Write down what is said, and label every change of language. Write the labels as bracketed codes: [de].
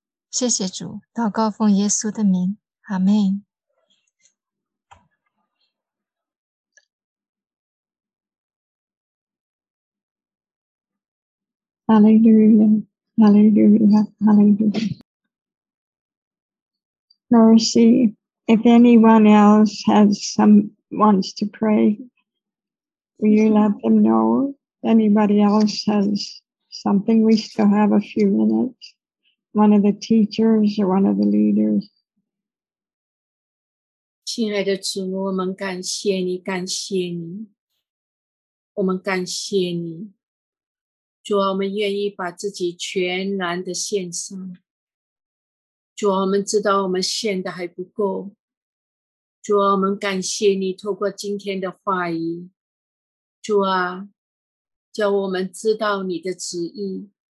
[zh] 谢谢主，祷告奉耶稣的名，阿门。哈利路亚，哈利路亚，哈利路亚。 [en] Mercy, if anyone else wants to pray, will you let them know? Anybody else has something? We still have a few minutes. One of the teachers or one of the leaders. [zh] 亲爱的主，我们感谢你，感谢你，我们感谢你。主啊，我们愿意把自己全然的献上。主啊，我们知道我们献的还不够。主啊，我们感谢你，透过今天的话语，主啊，叫我们知道你的旨意。